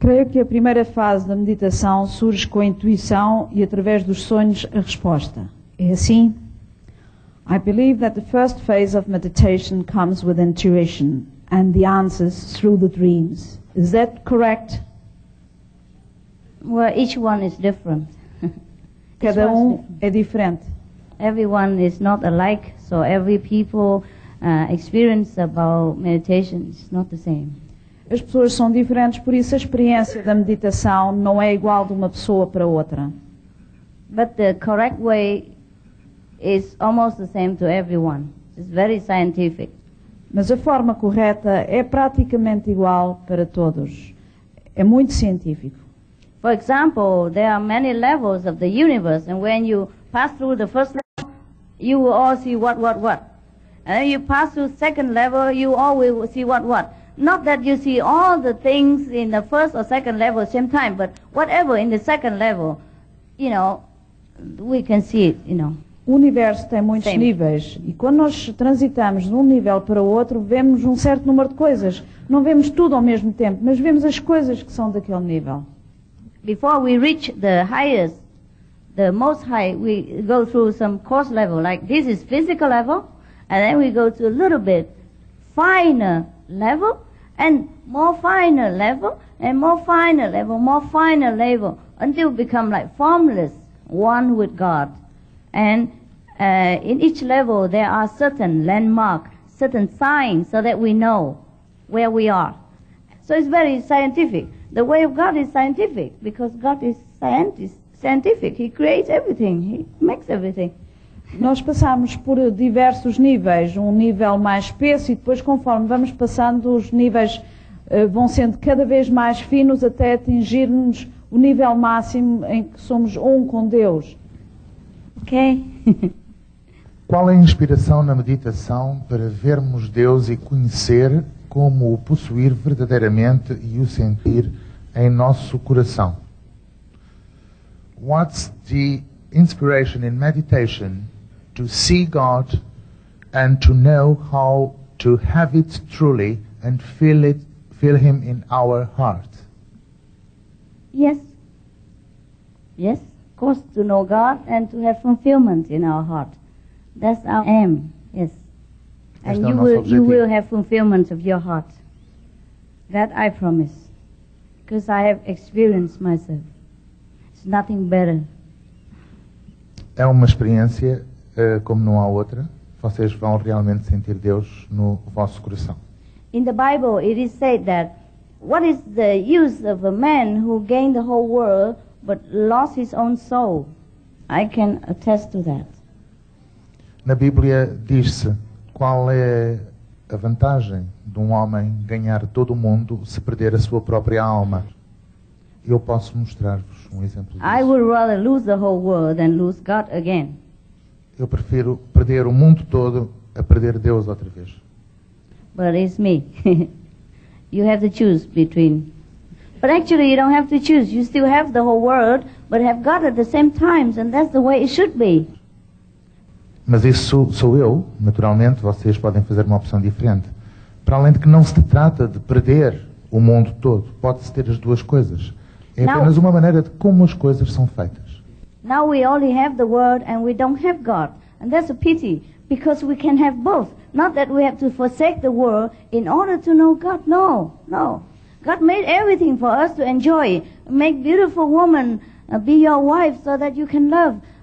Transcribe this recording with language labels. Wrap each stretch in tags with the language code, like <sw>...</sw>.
<pt>Que a primeira fase da meditação surge com a intuição e através dos sonhos a resposta. É assim?</pt> <en>I believe that the first phase of meditation comes with intuition and the answers through the dreams. Is that correct? Well, each one is different.</en> <pt>Cada um é diferente.</pt> <en>Everyone is not alike, so every people experience about meditation is not the same.</en> <pt>As pessoas são diferentes, por isso a experiência da meditação não é igual de uma pessoa para outra.</pt> <en>But the correct way is almost the same to everyone. It's very scientific.</en> <pt>Mas a forma correta é praticamente igual para todos. É muito científico.</pt> <en>For example, there are many levels of the universe, and when you pass through the first level, you will all see what. And then you pass through second level, you all will see what. Not that you see all the things in the first or second level at the same time, but whatever in the second level, you know, we can see it, you know.</en> <pt>O universo tem muitos</pt> <en>same.</en> <pt>Níveis, e quando nós transitamos de um nível para o outro, vemos um certo número de coisas. Não vemos tudo ao mesmo tempo, mas vemos as coisas que são daquele nível.</pt> <en>Before we reach the highest, the most high, we go through some coarse level, like this is physical level, and then we go to a little bit finer level, and more finer level, and more finer level, more finer level, until we become like formless, one with God. And in each level, there are certain landmarks, certain signs, so that we know where we are. So it's very scientific. The way of God is scientific, because God is scientific. He creates everything. He makes everything.</en> <pt>Nós passamos por diversos níveis, um nível mais espesso, e depois, conforme vamos passando, os níveis vão sendo cada vez mais finos até atingirmos o nível máximo em que somos um com Deus. Ok. Qual é a inspiração na meditação para vermos Deus e conhecer como o possuir verdadeiramente e o sentir em nosso coração?</pt> <en>What's the inspiration in meditation to see God and to know how to have it truly and feel Him in our heart? Yes. Yes. Of course, to know God and to have fulfillment in our heart. That's our aim, yes. And you will have fulfillment of your heart. That I promise. Because I have experienced myself. It's nothing better.</en> <pt>É uma experiência como não há outra. Vocês vão realmente sentir Deus no vosso coração.</pt> <en>In the Bible, it is said that what is the use of a man who gained the whole world but lost his own soul? I can attest to that.</en> <pt>Na Bíblia diz-se, qual é a vantagem de um homem ganhar todo o mundo se perder a sua própria alma? Eu posso mostrar-vos um exemplo disso.</pt> <en>I would rather lose the whole world than lose God again.</en> <pt>Eu prefiro perder o mundo todo a perder Deus outra vez.</pt> <en>But it's me. You have to choose between. But actually, you don't have to choose. You still have the whole world, but have God at the same time, and that's the way it should be.</en> <pt>Mas isso sou eu, naturalmente. Vocês podem fazer uma opção diferente. Para além de que não se trata de perder o mundo todo, pode-se ter as duas coisas. É apenas uma maneira de como as coisas são feitas.</pt> <en>Now we only have the world, and we don't have God, and that's a pity, because we can have both. Not that we have to forsake the world in order to know God. No, no. God made everything for us to enjoy. Make beautiful woman be your wife so that you can love.</en>